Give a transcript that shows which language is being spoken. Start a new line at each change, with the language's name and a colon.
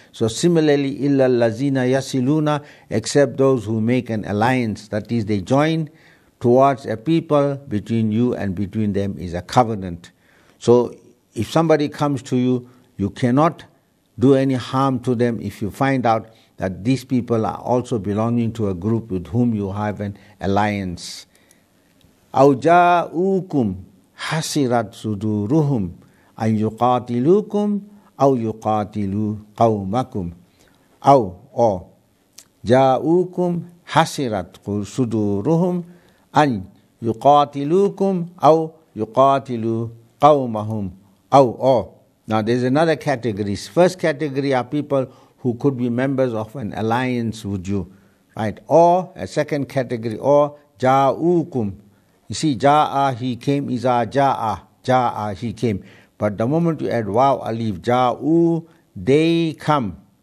English: So similarly,
Arabic: illa lazina yasiluna,
English: except those who make an alliance, that is, they join towards a people, between you and between them is a covenant. So if somebody comes to you, you cannot do any harm to them if you find out that these people are also belonging to a group with whom you have an alliance.
Arabic: أَوْ جَاءُوكُمْ حَسِرَتْ سُدُورُهُمْ أَنْ يُقَاتِلُوكُمْ أَوْ يُقَاتِلُوا قَوْمَكُمْ أَوْ جَاءُوكُمْ حَسِرَتْ سُدُورُهُمْ أن يقاتلوكم أو يقاتلوا قومهم أو أو.
English: Now there's another category. First category are people who could be members of an alliance with you, right? Or a second category, or جاءوكم. You see, جاء he came, إذا جاء he came. But the moment you add واو أليف, جاءوا they come.